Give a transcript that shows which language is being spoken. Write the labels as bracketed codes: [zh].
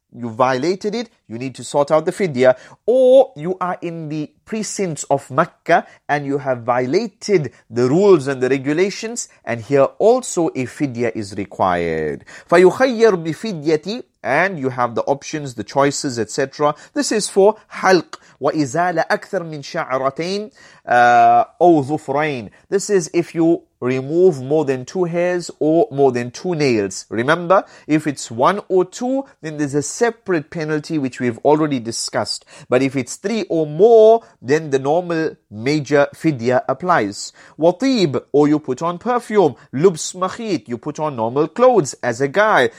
[en] you violated it, you need to sort out the fidya. Or you are in the precincts of Mecca and you have violated the rules and the regulations, and here also a fidya is required. [ar] فَيُخَيَّرْ بِفِدْيَةِ, [en] and you have the options, the choices, etc. This is for [ar] حَلْق وَإِزَالَ أَكْثَرْ مِنْ شَعْرَتَيْن أَوْ ظُفْرَيْن. [en] This is if you remove more than two hairs or more than two nails. Remember, if it's one or two, then there's a separate penalty which we've already discussed. But if it's three or more, then the normal major fidya applies. Watib, or you put on perfume. Lubs makhit, you put on normal clothes as a guy.